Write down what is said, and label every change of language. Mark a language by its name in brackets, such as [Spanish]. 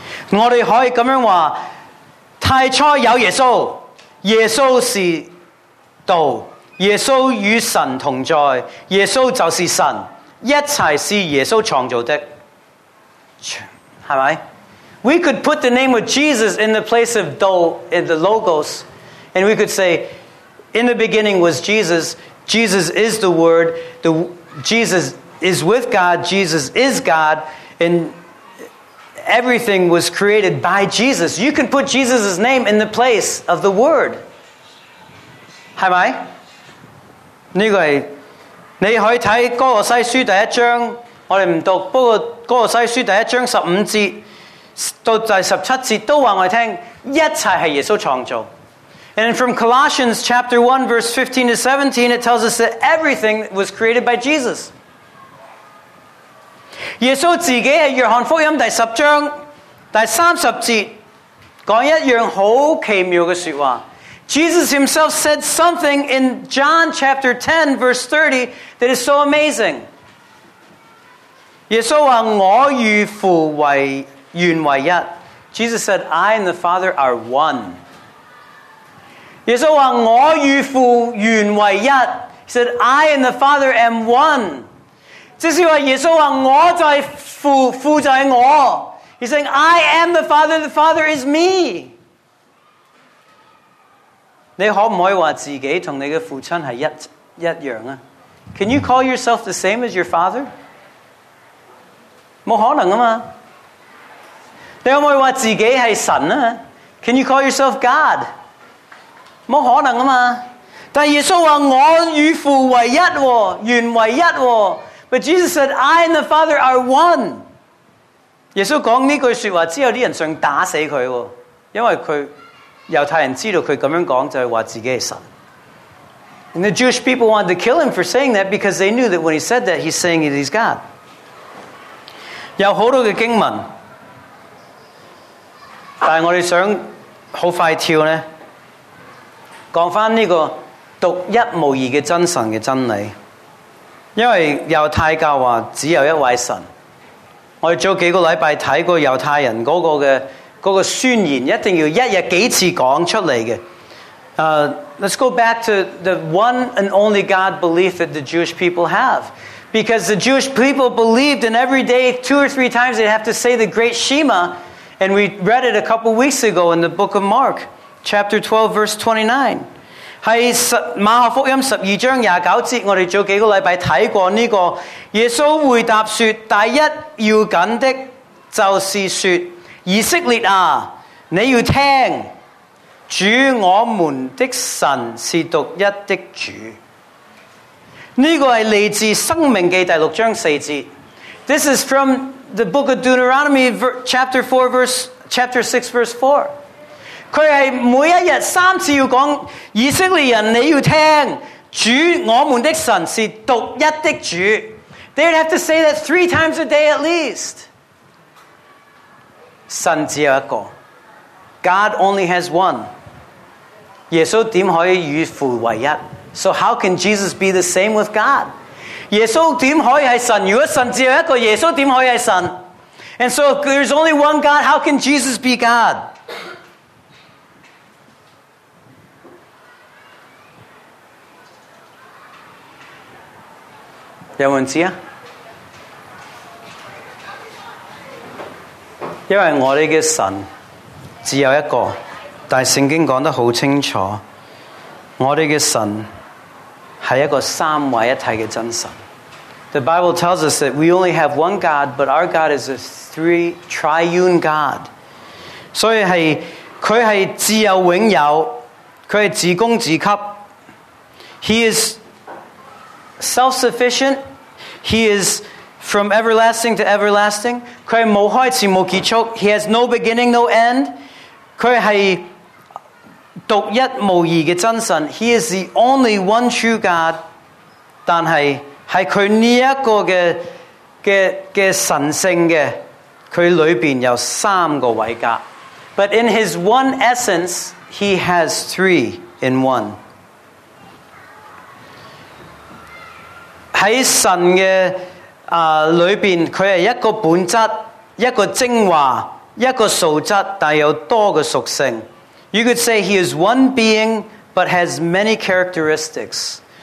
[Chinese] 我们可以这样说,太初有耶稣, 耶稣是 道，耶稣与神同在，耶稣就是神，一切是耶稣创造的，系咪？ [English] We could put the name of Jesus in the place of Do in the Logos, and we could say, in the beginning was Jesus. Jesus is the Word. The Jesus is with God. Jesus is God, and everything was created by Jesus. You can put Jesus' name in the place of the Word. [Chinese] 是不是? 这个是, 你可以看哥罗西书第一章, 我们不读, 不过哥罗西书第一章15节, 到第17节, 都告诉我们, 一切是耶稣创造。 [English] And from Colossians chapter 1, verse 15 to 17, it tells us that everything was created by Jesus. [Chinese] 耶稣自己在约翰福音第10章, 第30节, 讲一样很奇妙的说话。 [English] Jesus himself said something in John chapter 10, verse 30, that is so amazing. [Chinese] 耶稣说, 我与父为原为一。 [English] Jesus said, I and the Father are one. [Chinese] 耶稣说我与父原为一。 [English] He said, I and the Father am one. [Chinese] 这是说耶稣说我在父，父在我。 [English] He's saying, I am the Father is me. [Chinese] 你可不可以说自己跟你的父亲是 一样啊？ [English] Can you call yourself the same as your father? [Chinese] 不可能嘛。你可不可以说自己是神啊？ [English] Can you call yourself God? [Chinese] 不可能嘛。但耶稣说我与父为一，原为一。 [English] But Jesus said, I and the Father are one. [Chinese] 耶稣说这句话之后，人想打死他，因为他犹太人知道他这样说就是说自己是神。 [English] And the Jewish people wanted to kill him for saying that because they knew that when he said that, he's saying that he's God. [Chinese] 有很多的经文，但是我们想很快跳呢，讲回这个独一无二的真神的真理。因为犹太教说只有一位神，我们早几个礼拜看过犹太人那个的那个宣言一定要一日几次讲出来的。 [English] Let's go back to the one and only God belief that the Jewish people have. Because the Jewish people believed and every day, two or three times, they'd have to say the great Shema. And we read it a couple weeks ago in the book of Mark, chapter 12, verse 29. [Chinese] 是马可福音十二章廿九节，我们早几个礼拜看过这个。耶稣回答说，第一要紧的就是说，以色列啊，你要听。主我们的神是独一的主。这个是来自生命记第六章四节。 [English] This is from the book of Deuteronomy, chapter 6, verse 4. [Chinese] 他是每一日三次要讲，以色列人你要听，主我们的神是独一的主。 [English] They'd have to say that three times a day at least. [Chinese] 神只有一个。 [English] God only has one. [Chinese] 耶稣怎可以与父为一？ [English] So how can Jesus be the same with God? [Chinese] 耶稣怎可以是神？如果神只有一个，耶稣怎可以是神？ [English] And so if there's only one God, how can Jesus be God? [Chinese] 有问题啊？因为我们的神只有一个。但圣经讲得很清楚，我们的神是一个三位一体的真神。 [English] The Bible tells us that we only have one God, but our God is a three triune God. [Chinese] 所以是祂是自有永有，祂是自供自给。 [English] He is self-sufficient. He is from everlasting to everlasting. [Chinese] 祂是无开始无结束。 [English] He has no beginning, no end. [Chinese] 祂是独一无二的真神。 [English] He is the only one true God. [Chinese] 但是在祂这一个 的神圣的，祂里面有三个位格。 [English] But in His one essence, He has three in one. [Chinese] 在神的里面，祂是一个本质，一个精华，一个素质，但有多个属性。 [English] You could say he is one being, but has many characteristics.